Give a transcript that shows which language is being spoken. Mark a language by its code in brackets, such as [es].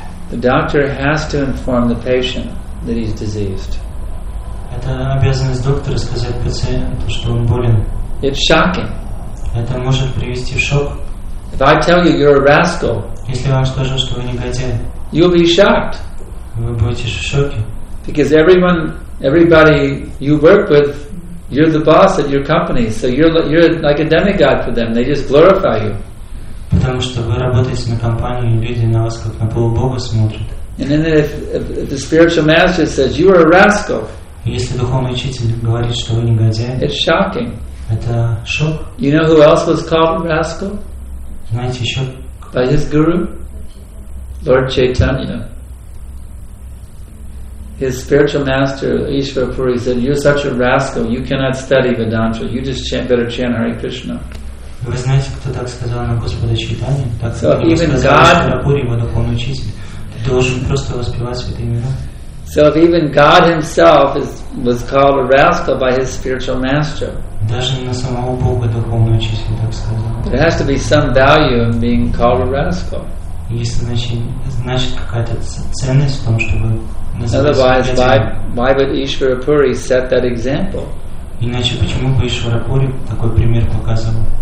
[en] The doctor has to inform the patient that he's diseased. [ru] Это обязанность доктора сказать пациенту, что он болен. [en] It's shocking. [ru] Это может привести в шок. [en] If I tell you you're a rascal, [ru] если вам скажу, что вы негодяй, [en] you'll be shocked. [ru] Вы будете в шоке. [en] Because everybody you work with, you're the boss at your company, so you're like a demigod for them. They just glorify you. [ru] Потому что вы работаете на компанию, и люди на вас как на полубога смотрят. [en] And then if the spiritual master says you are a rascal, [ru] если духовный учитель говорит, что вы негодяй, [en] it's shocking. [ru] Это шок. [en] You know who else was called rascal? [ru] Знаете еще? [en] By his guru, Lord Chaitanya. His spiritual master, Ishvara Puri, said, "You're such a rascal. You cannot study Vedanta. You just better chant Hare Krishna." [ru] Вы знаете, кто так сказал на Господа Чайтанья? Так [en] so even God, [ru] Ishvara Puri, его духовный учитель, ты должен просто воспевать святые имена. [en] So if even God himself was called a rascal by his spiritual master. [ru] Даже на самого Бога духовный учитель так сказал. [en] There has to be some value in being called a rascal. [ru] Если значит какая-то ценность в том, чтобы [en] Otherwise, why would Ishvara Puri set that example? [ru] Иначе почему бы Ишвара Пури такой пример показывал?